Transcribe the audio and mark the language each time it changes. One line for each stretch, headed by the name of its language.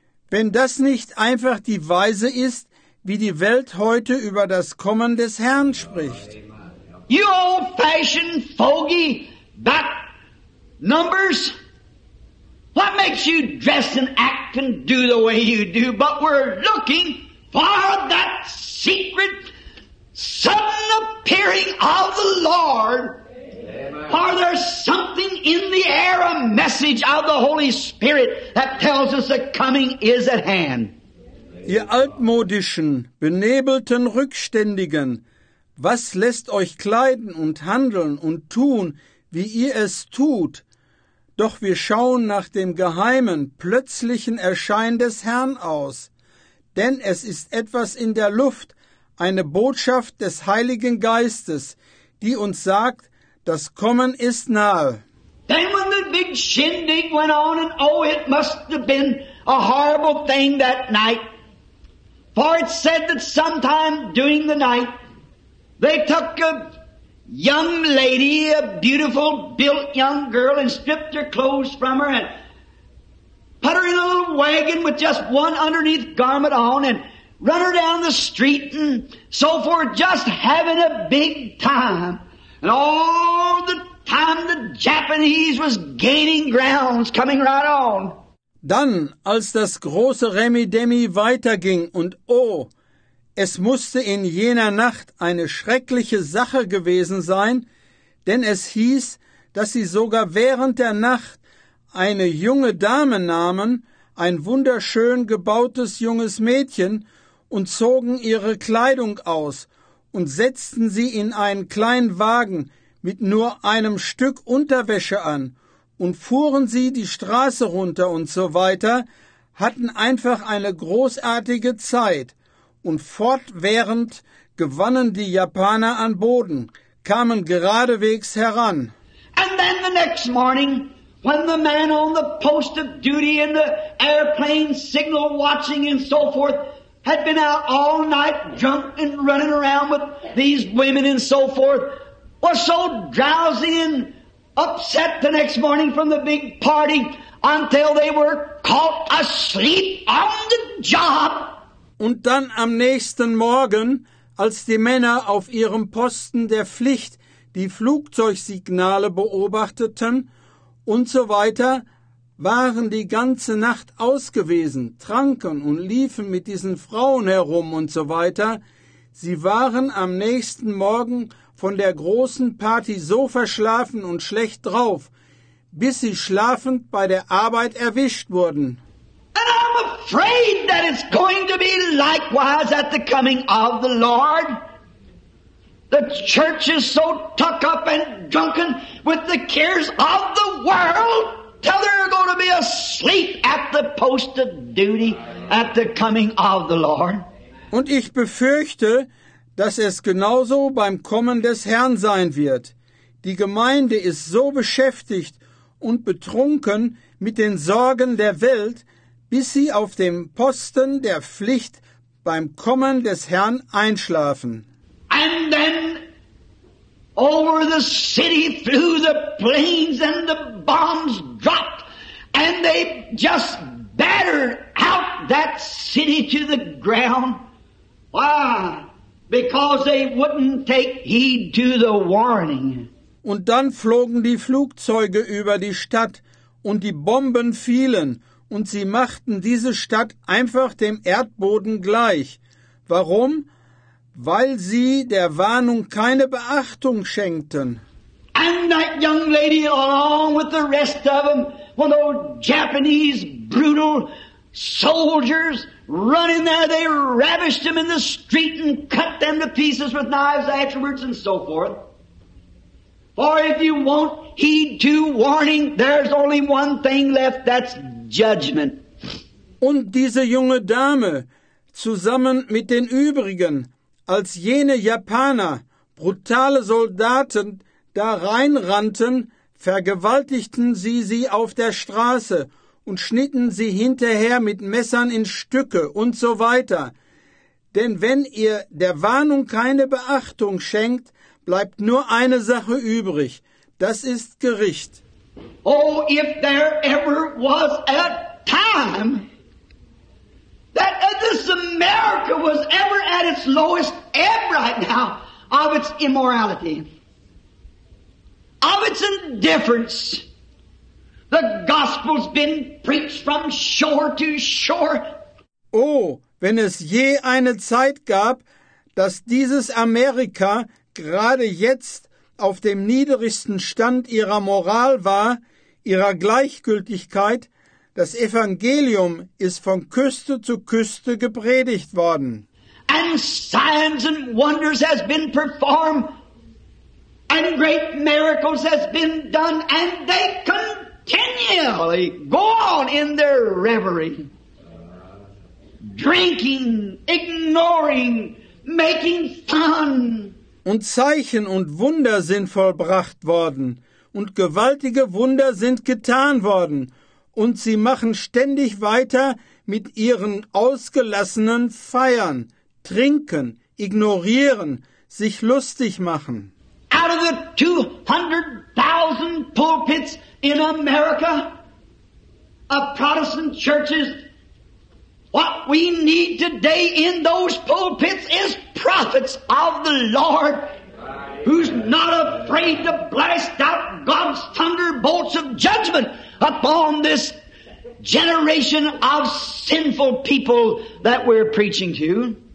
German: Wenn das nicht einfach die Weise ist, wie die Welt heute über das Kommen des Herrn spricht.
English: You old-fashioned fogey back numbers, what makes you dress and act and do the way you do? But we're looking for that secret sudden appearing of the Lord. Are there something in the air, a message of the Holy Spirit that tells us the coming is at hand?
German: Ihr altmodischen, benebelten Rückständigen, was lässt euch kleiden und handeln und tun, wie ihr es tut? Doch wir schauen nach dem geheimen, plötzlichen Erscheinen des Herrn aus. Denn es ist etwas in der Luft, eine Botschaft des Heiligen Geistes, die uns sagt, das Kommen ist nahe.
English: Then when the big shindig went on, and oh, it must have been a horrible thing that night. For it said that sometime during the night, they took a young lady, a beautiful built young girl, and stripped her clothes from her, and put her in a little wagon with just one underneath garment on, and run her down the street, and so forth, just having a big time. And all the time the Japanese was gaining grounds, coming right on.
German: Dann, als das große Remi-Demi weiterging und oh, es musste in jener Nacht eine schreckliche Sache gewesen sein, denn es hieß, dass sie sogar während der Nacht eine junge Dame nahmen, ein wunderschön gebautes junges Mädchen, und zogen ihre Kleidung aus und setzten sie in einen kleinen Wagen mit nur einem Stück Unterwäsche an und fuhren sie die Straße runter und so weiter, hatten einfach eine großartige Zeit. Und fortwährend gewannen die Japaner an Boden, kamen geradewegs heran.
English: And then the next morning, when the man on the post of duty in the airplane signal watching and so forth had been out all night drunk and running around with these women and so forth, was so drowsy and upset the next morning from the big party until they were caught asleep on the job.
German: Und dann am nächsten Morgen, als die Männer auf ihrem Posten der Pflicht die Flugzeugsignale beobachteten und so weiter, waren die ganze Nacht ausgewesen, tranken und liefen mit diesen Frauen herum und so weiter. Sie waren am nächsten Morgen von der großen Party so verschlafen und schlecht drauf, bis sie schlafend bei der Arbeit erwischt wurden.
English: And I'm afraid that it's going to be likewise at the coming of the Lord. The church is so tucked up and drunken with the cares of the world till they're going to be asleep at the post of duty at the coming of the Lord.
German: Und ich befürchte, dass es genauso beim Kommen des Herrn sein wird. Die Gemeinde ist so beschäftigt und betrunken mit den Sorgen der Welt, bis sie auf dem Posten der Pflicht beim Kommen des Herrn einschlafen.
English: And then over the city flew the planes and the bombs dropped and they just battered out that city to the ground. Why? Because they wouldn't take heed to the warning.
German: Und dann flogen die Flugzeuge über die Stadt und die Bomben fielen und sie machten diese Stadt einfach dem Erdboden gleich. Warum? Weil sie der Warnung keine Beachtung schenkten.
English: And that young lady along with the rest of them, one of those Japanese brutal soldiers, run in there, they ravished them in the street and cut them to pieces with knives afterwards and so forth. For if you won't heed to warning, there's only one thing left, that's judgment.
German: Und diese junge Dame, zusammen mit den übrigen, als jene Japaner, brutale Soldaten, da reinrannten, vergewaltigten sie sie auf der Straße und schnitten sie hinterher mit Messern in Stücke und so weiter. Denn wenn ihr der Warnung keine Beachtung schenkt, bleibt nur eine Sache übrig. Das ist Gericht.
English: Oh, if there ever was a time that this America was ever at its lowest ebb right now of its immorality, of its indifference. The gospel's been preached from shore to shore.
German: Oh, wenn es je eine Zeit gab, dass dieses Amerika gerade jetzt auf dem niedrigsten Stand ihrer Moral war, ihrer Gleichgültigkeit, das Evangelium ist von Küste zu Küste gepredigt worden.
English: And signs and wonders has been performed, and great miracles has been done, and they continually go on in their reverie, drinking, ignoring, making fun.
German: Und Zeichen und Wunder sind vollbracht worden, und gewaltige Wunder sind getan worden, und sie machen ständig weiter mit ihren ausgelassenen Feiern, trinken, ignorieren, sich lustig machen.
English: Out of the 200,000 pulpits in America, of Protestant churches, what we need today in those pulpits is prophets of the Lord who's not afraid to blast out God's thunderbolts of judgment upon this generation of sinful people that we're preaching to.